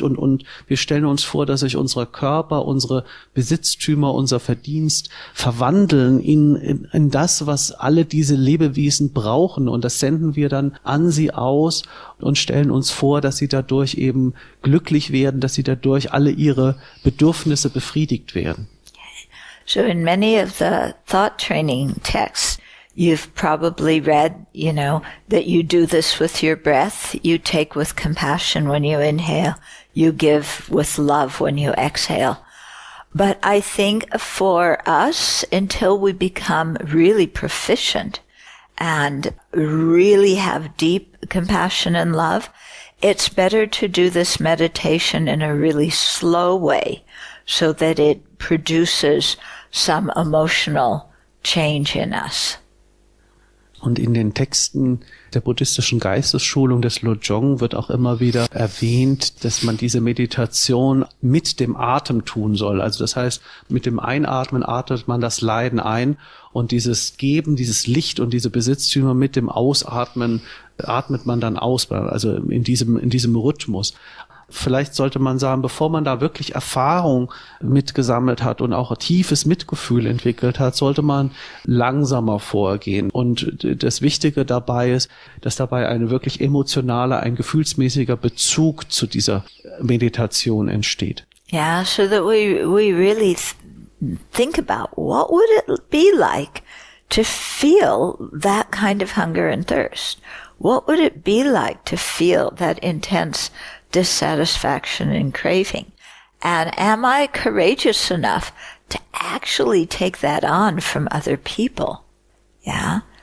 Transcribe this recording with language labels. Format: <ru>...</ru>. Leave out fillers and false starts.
<de>Und wir stellen uns vor, dass sich unser Körper, unsere Besitztümer, unser Verdienst verwandeln in das, was alle diese Lebewesen brauchen. Und das senden wir dann an sie aus und stellen uns vor, dass sie dadurch eben glücklich werden, dass sie dadurch alle ihre Bedürfnisse befriedigt werden.</de> <en>So in many of the thought training texts, you've probably read, you know, that you do this with your breath. You take with compassion when you inhale. You give with love when you exhale. But I think for us, until we become really proficient and really have deep compassion and love, it's better to do this meditation in a really slow way so that it produces some emotional change in us.</en> <de>Und in den Texten der buddhistischen Geistesschulung des Lojong wird auch immer wieder erwähnt, dass man diese Meditation mit dem Atem tun soll. Also das heißt, mit dem Einatmen atmet man das Leiden ein und dieses Geben, dieses Licht und diese Besitztümer mit dem Ausatmen atmet man dann aus, also in diesem Rhythmus. Vielleicht sollte man sagen, bevor man da wirklich Erfahrung mitgesammelt hat und auch ein tiefes Mitgefühl entwickelt hat, sollte man langsamer vorgehen. Und das Wichtige dabei ist, dass dabei ein wirklich emotionaler, ein gefühlsmäßiger Bezug zu dieser Meditation entsteht.</de> <en>Yeah, so that we really think about what would it be like to feel that kind of hunger and thirst? What would it be like to feel that intense dissatisfaction and craving? And am I courageous enough to actually take that on from other people? Yeah.</en>